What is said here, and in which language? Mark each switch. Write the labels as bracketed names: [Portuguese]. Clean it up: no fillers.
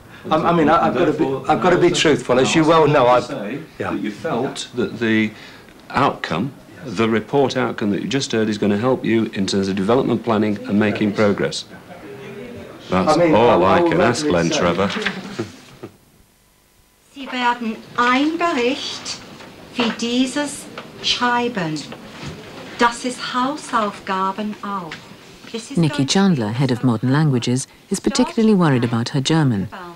[English] I've got to be truthful. As you well know, I've... That you felt that the outcome, the report outcome that you just heard, is going to help you in terms of development planning and making progress. That's all I can ask, Len Trevor. [German] Sie werden ein Bericht für dieses schreiben. Das ist Hausaufgaben auch. [English] Nikki Chandler, head of modern languages, is particularly worried about her German.